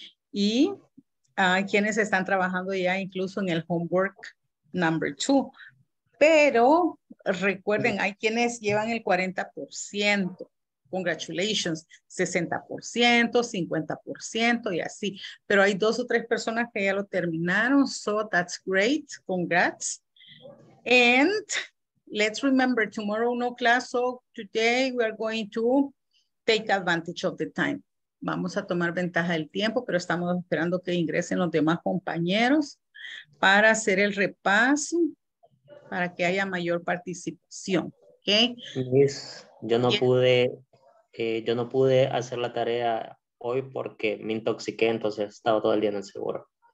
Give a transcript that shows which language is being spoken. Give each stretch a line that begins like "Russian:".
Spanish: Y hay quienes están trabajando ya incluso en el
English: homework number two.
Spanish: Pero recuerden, hay quienes llevan el 40%. Congratulations. 60%, 50% y así. Pero hay dos o tres personas que ya lo terminaron.
English: So that's great. Congrats. And let's remember tomorrow no class, so today we are going to take advantage of the time.
Spanish: Vamos a tomar ventaja del tiempo, pero estamos esperando que ingresen los demás compañeros para hacer el repaso, para que haya mayor participación, ¿okay? Yes, yo no pude, yo no pude hacer la tarea hoy porque me intoxiqué, entonces estaba todo el día en el seguro.